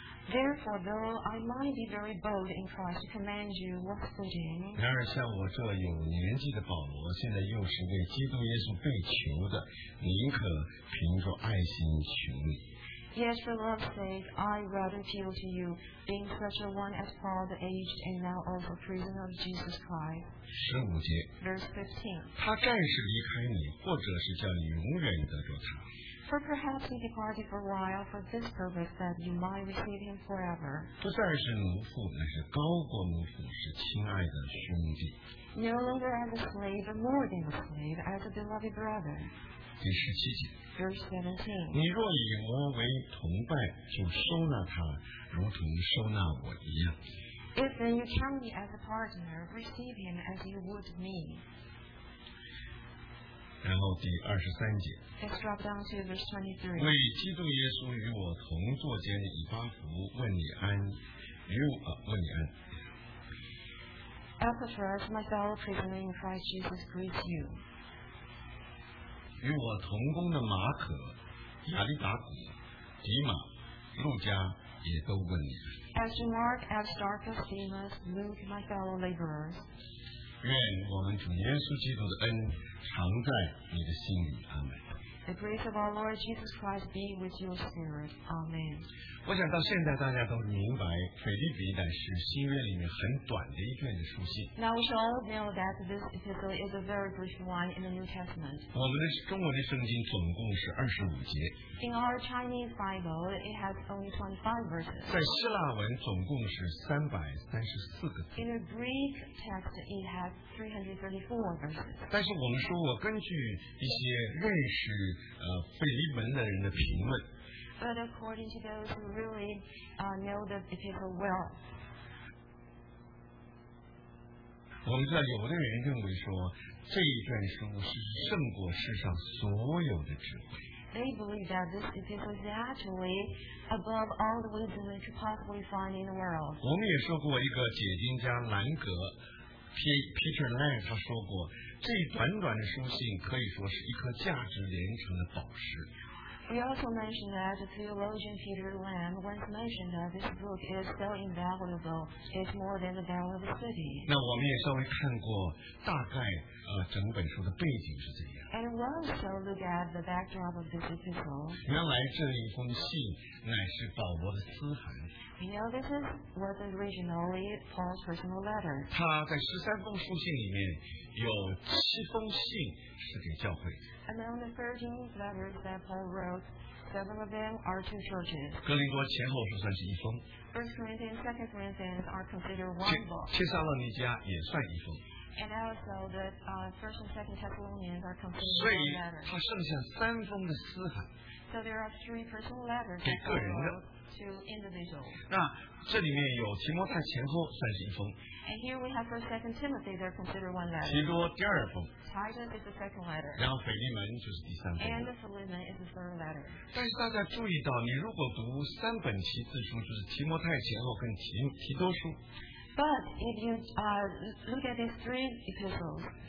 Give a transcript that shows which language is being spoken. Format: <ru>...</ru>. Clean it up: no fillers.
<en>Therefore, though I might be very bold in Christ to command you what to do.</en> <zh>然而像我这有年纪的保罗，现在又是为基督耶稣被囚的，宁可凭着爱心求你。</zh> <en>Yes, for love's sake, I rather appeal to you, being such a one as Paul the aged and now also prisoner of Jesus Christ.</en> <zh>十五节。</zh> <en>Verse 15.</en> <zh>他暂时离开你，或者是叫你永远得着他。</zh> <en>For perhaps he departed for a while for this purpose that you might receive him forever.</en> <zh>不再是奴仆，乃是高过奴仆，是亲爱的兄弟。</zh> <en>No longer as a slave, but more than a slave, as a beloved brother.</en> <zh>第十七节。</zh> <en>Verse 17.</en> <zh>你若以我为同伴，就收纳他，如同收纳我一样。</zh> <en>If then you count me as a partner, receive him as you would me.</en> <zh>然后第二十三节。</zh> <en>Let's drop down to verse 23.</en> <zh>为基督耶稣与我同坐监的以巴弗问你安，问你安。</zh> <en>Epaphras, my fellow prisoner in Christ Jesus, greets you.</en> <zh>与我同工的马可、亚历达古、迪马、路加也都问你。</zh> <en>As you mark, as dark as Demas, Luke, my fellow laborers.</en> <zh>愿我们主耶稣基督的恩常在你的心里，阿门。</zh> <en>The grace of our Lord Jesus Christ be with your spirit. Amen.</en> <zh>我想到现在大家都明白腓立比乃是新约里面很短的一卷的书信。</zh> <en>Now we should all know that this epistle is a very brief one in the New Testament.</en> <zh>我们的中文的圣经总共是25节。</zh> <en>In our Chinese Bible, it has only 25 verses.</en> <zh>在希腊文总共是334个字。</zh> <en>In the Greek text, it has 334 verses.</en> <zh>但是我们说我根据一些认识腓立门的人的评论。</zh> <en>But according to those who really know the epistle well.</en> <zh>我们知道有的人认为说这一卷书是胜过世上所有的智慧。</zh> <en>they believe that this epistle is actually above all the wisdom we could possibly find in the world.</en> <zh>我们也说过一个解经家兰格 Peter Lang 他说过，这短短的书信可以说是一颗价值连城的宝石。</zh> <en>We also mentioned that the theologian Peter Lamb once mentioned that this book is so invaluable, it's more than the value of a city.</en> <zh>那我们也稍微看过大概整本书的背景是怎样。</zh> <en>And we also look at the backdrop of this epistle.</en> <zh>原来这一封信乃是保罗的私函。</zh> <en>You know, this is what originally Paul's personal letter.</en> <zh>他在十三封书信里面有七封信是给教会的。</zh> <en>Among the 13 letters that Paul wrote, 7 of them are to churches.</en> <zh>哥林多前后就算是一封。</zh> <en>First Corinthians, Second Corinthians are considered one book.</en> <zh>帖撒罗尼迦也算一封。</zh> <en>And also the First and Second Thessalonians are considered one letter.</en> <zh>所以他剩下三封的私函。</zh> <en>So there are three personal letters</en> <zh>给个人的。</zh> <en>To individuals.</en> <zh>那这里面有提摩太前后算是一封。</zh> <en>And here we have First and Second Timothy, they're considered one letter.</en> <zh>提多第二封。</zh> <en>Titus is the second letter.</en> <zh>然后腓利门就是第三封。</zh> <en>And the Philemon is the third letter.</en> <zh>但是大家注意到，你如果读三本七字书，就是提摩太前后跟提多书。</zh> <en>But if you look at these three epistles,</en>